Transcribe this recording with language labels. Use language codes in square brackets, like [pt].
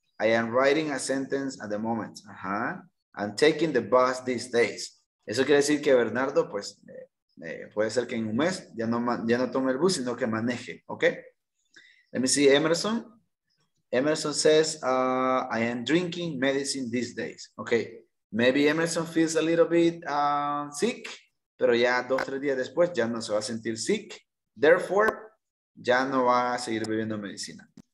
[en] I am writing a sentence at the moment. Uh-huh. I'm taking the bus these days. [es] Eso quiere decir que Bernardo, pues, puede ser que en un mes ya no tome el bus, sino que maneje. [en] Okay. Let me see, Emerson. Emerson says, I am drinking medicine these days. Okay. Maybe Emerson feels a little bit sick, [es] pero ya 2-3 días después ya no se va a sentir sick. Therefore, ya no va a seguir bebiendo medicina.